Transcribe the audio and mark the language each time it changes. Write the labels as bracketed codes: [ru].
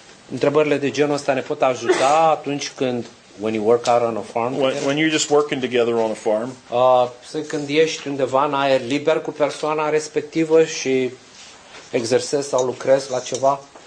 [ro] Întrebările de genul ăsta ne pot ajuta atunci când [en] when you work out on a farm. When you're just working together on a farm. [ro] Când ești undeva în aer liber cu persoana respectivă și exersezi sau lucrezi la ceva.